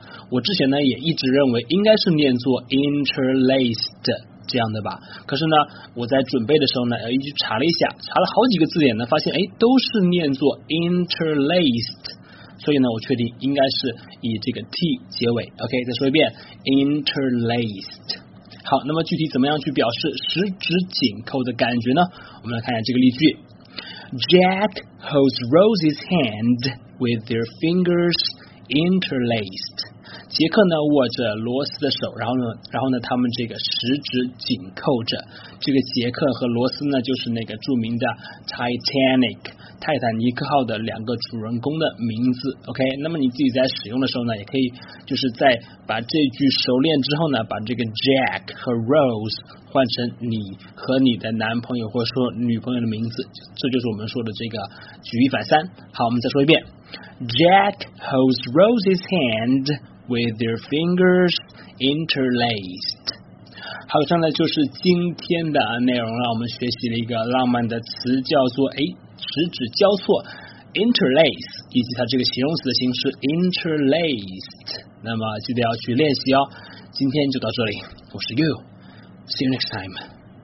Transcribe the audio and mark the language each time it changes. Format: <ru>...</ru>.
<zh>我之前呢也一直认为应该是念作 interlaced这样的吧，可是呢我在准备的时候呢一直查了一下，查了好几个字典呢，发现都是念作 interlaced， 所以呢我确定应该是以这个 t 结尾。 OK， 再说一遍 interlaced。好，那么具体怎么样去表示十指紧扣的感觉呢？我们来看一下这个例句。</zh> <en>Jack holds Rose's hand with their fingers interlaced。</en> <zh>杰克呢握着罗斯的手，然后呢他们这个十指紧扣着。这个杰克和罗斯呢就是那个著名的 Titanic 泰坦尼克号的两个主人公的名字。 OK， 那么你自己在使用的时候呢，也可以就是在把这句熟练之后呢，把这个 Jack 和 Rose 换成你和你的男朋友或者说女朋友的名字，这就是我们说的这个举一反三。好，我们再说一遍。</zh> <en>Jack holds Rose's handwith their fingers interlaced。</en> <zh>好，以上呢就是今天的内容了。我们学习了一个浪漫的词，叫做十指交错 interlace， 以及它这个形容词的形式 interlaced。那么记得要去练习哦。今天就到这里，我是 You，</zh> <en>See you next time。</en>